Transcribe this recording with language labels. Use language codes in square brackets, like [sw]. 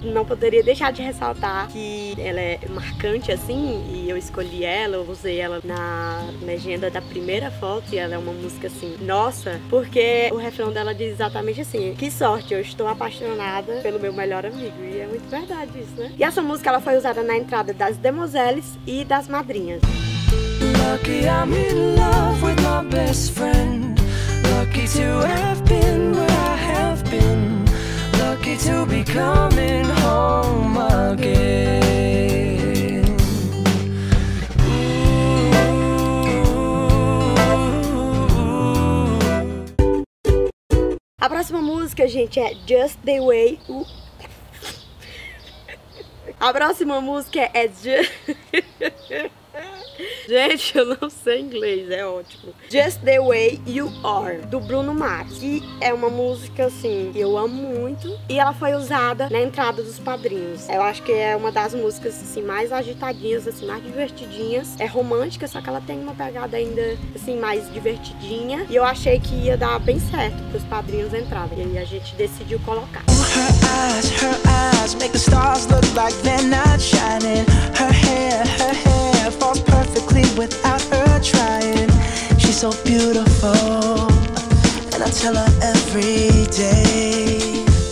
[pt] Não poderia deixar de ressaltar que ela é marcante, assim, e eu escolhi ela, eu usei ela na legenda da primeira foto, e ela é uma música, assim, nossa, porque o refrão dela diz exatamente assim: que sorte, eu estou apaixonada pelo meu melhor amigo. E é muito verdade isso, né? E essa música, ela foi usada na entrada das demoiselles e das madrinhas. [en] Lucky I'm in love with my best friend. Lucky to have been where I have been. Lucky to be coming home again. [pt] A próxima música, gente, é Just the Way. A próxima música é Gente, eu não sei inglês, é ótimo. Just the Way You Are, do Bruno Mars. E é uma música, assim, que eu amo muito. E ela foi usada na entrada dos padrinhos. Eu acho que é uma das músicas, assim, mais agitadinhas, assim, mais divertidinhas. É romântica, só que ela tem uma pegada ainda, assim, mais divertidinha. E eu achei que ia dar bem certo pros padrinhos entrarem. E aí a gente decidiu colocar. [en] Her eyes make the stars look like they're not shining. Her hair falls perfectly without her trying. She's so beautiful, and I tell her every day.